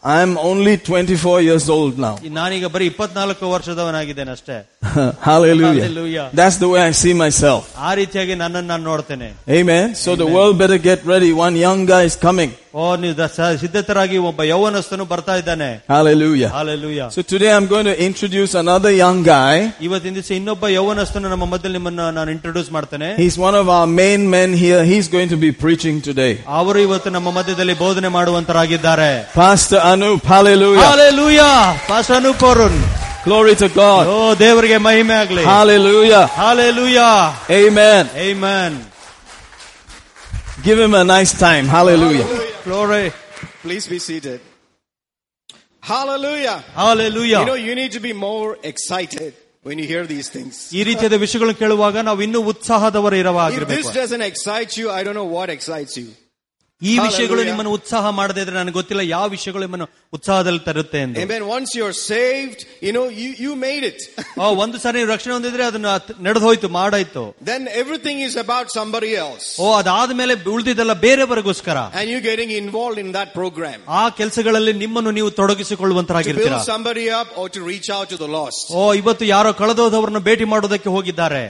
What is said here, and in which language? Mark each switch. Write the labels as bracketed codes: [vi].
[en] I am only 24 years old now. [kn] ನಾನೀಗ ಬರೀ 24 ವರ್ಷದವನಾಗಿದ್ದೇನೆ ಅಷ್ಟೇ. Hallelujah. Hallelujah. [en] That's the way I see myself. [kn] ಆ ರೀತಿಯಾಗಿ ನನ್ನನ್ನು ನಾನು ನೋಡ್ತೇನೆ. [en] Amen. So the world better get ready. One young guy is coming. [kn] ಓ, ಸಿದ್ಧತರಾಗಿ ಒಬ್ಬ ಯೌವನಸ್ಥನು ಬರ್ತಾ ಇದ್ದಾನೆ. Hallelujah. Hallelujah. [en] So today I'm going to introduce another young guy. [kn] ಇವತ್ತಿನ ದಿವಸ ಇನ್ನೊಬ್ಬ ಯೌವನಸ್ಥನು ನಮ್ಮ ಮೊದಲು ನಿಮ್ಮನ್ನು ನಾನು ಇಂಟ್ರೊಡ್ಯೂಸ್ ಮಾಡ್ತೇನೆ. [en] He's one of our main men here. He's going to be preaching today. [kn] ಅವರು ಇವತ್ತು ನಮ್ಮ ಮಧ್ಯದಲ್ಲಿ ಬೋಧನೆ ಮಾಡುವಂತರಾಗಿದ್ದಾರೆ. [en] Pastor Anup. Hallelujah. Hallelujah. Pastor Anup Arun. Glory to God. [kn] ಓ, ದೇವರಿಗೆ ಮಹಿಮೆ ಆಗಲಿ. Hallelujah. Hallelujah. Amen. Amen. [en] Give him a nice time. Hallelujah. Glory. Please be seated. Hallelujah. Hallelujah. You know, you need to be more excited when you hear these things. [kn] ಈ ರೀತಿಯ ವಿಷಯಗಳನ್ನು ಕೇಳುವಾಗ ನಾವು ಇನ್ನೂ ಉತ್ಸಾಹದವರು ಇರಬೇಕು. [en] This doesn't excite you, I don't know what excites you. [kn] ಈ ವಿಷಯಗಳು ನಿಮ್ಮನ್ನು ಉತ್ಸಾಹ ಮಾಡದೇ ಇದ್ರೆ ನನಗೆ ಗೊತ್ತಿಲ್ಲ ಯಾವ ವಿಷಯಗಳು ನಿಮ್ಮನ್ನು ಉತ್ಸಾಹದಲ್ಲಿ ತರುತ್ತೆ ಅಂತ. Amen. [en] Once you are saved, you know, you made it. [kn] ಒಂದು ಸಾರಿ ರಕ್ಷಣೆ ಹೊಂದಿದ್ರೆ ಅದನ್ನು ನಡೆದು ಹೋಯ್ತು, ಮಾಡಾಯ್ತು. [en] Then everything is about somebody else. [kn] ಓ, ಅದಾದ್ಮೇಲೆ ಉಳಿದಿದ್ದೆಲ್ಲ ಬೇರೆಯವರಿಗೋಸ್ಕರ. [en] And you getting involved in that program. [kn] ಆ ಕೆಲಸಗಳಲ್ಲಿ ನಿಮ್ಮನ್ನು ನೀವು ತೊಡಗಿಸಿಕೊಳ್ಳುವಂತರಾಗಿರ್ತೀರ. [en] To build somebody up or to reach out to the lost. [kn] ಓ, ಇವತ್ತು ಯಾರೋ ಕಳೆದೋದವರನ್ನು ಭೇಟಿ ಮಾಡೋದಕ್ಕೆ ಹೋಗಿದ್ದಾರೆ.